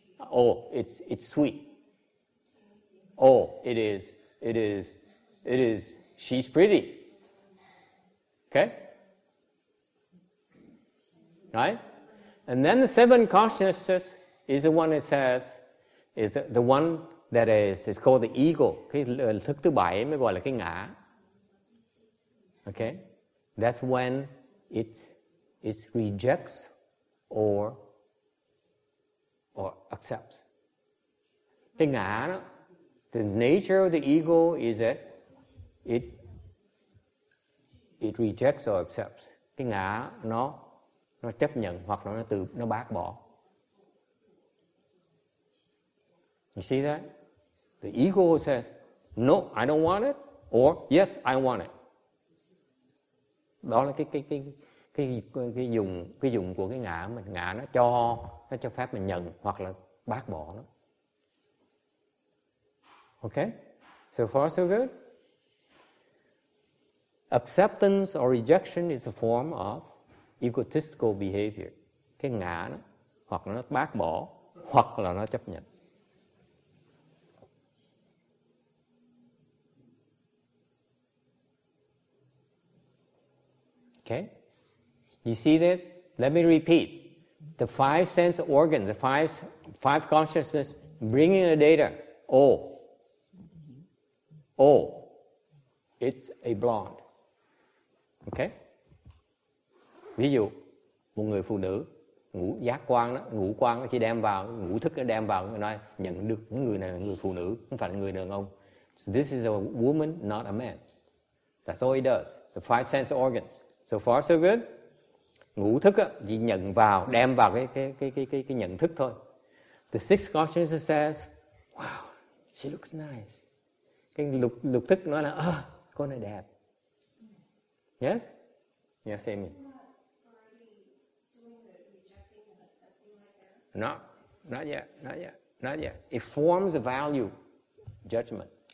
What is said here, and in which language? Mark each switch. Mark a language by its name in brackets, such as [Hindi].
[English] Oh, it's sweet. Oh, it is, she's pretty. Okay? Right? And then the seventh consciousness is the one that says, is the one that is called the ego. [Vietnamese] Cái thức thứ bảy mới gọi là cái ngã. [English] Okay? That's when it rejects or accepts. [Vietnamese] Cái ngã đó, [English] the nature of the ego is that it rejects or accepts. [Vietnamese] Cái ngã nó chấp nhận hoặc là nó bác bỏ. [English] You see that? The ego says, no, I don't want it, or yes, I want it. [Vietnamese] Đó là cái dùng của cái ngã mình. Ngã nó cho phép mình nhận hoặc là bác bỏ nó. [English] Okay? So far, so good? Acceptance or rejection is a form of egotistical behavior. [Vietnamese] Cái ngã nó, hoặc là nó bác bỏ, hoặc là nó chấp nhận. [English] Okay, you see this? Let me repeat. The five sense organs, the five consciousness bringing the data. Oh, it's a blonde. Okay? [Vietnamese] Ví dụ, một người phụ nữ, ngũ quan đó chỉ đem vào, ngũ thức nó đem vào, nói nhận được người này là người phụ nữ, không phải là người đàn ông. [English] So this is a woman, not a man. That's all he does. The five sense organs. So far, so good. [Vietnamese] Ngũ thức á, chỉ nhận vào, đem vào cái nhận thức thôi. [English] The sixth consciousness says, wow, she looks nice. [Vietnamese] Cái lục, lục thức nói là, ah, cô này đẹp. [English] Yes? Yes, Amy. No, not yet, not yet, not yet. It forms a value judgment.